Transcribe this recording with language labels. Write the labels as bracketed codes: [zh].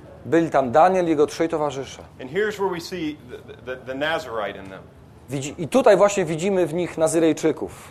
[pl] Byli tam Daniel i jego trzej towarzysze. [en] And here's where we see the Nazirite in them. [pl] I tutaj właśnie widzimy w nich Nazyrejczyków.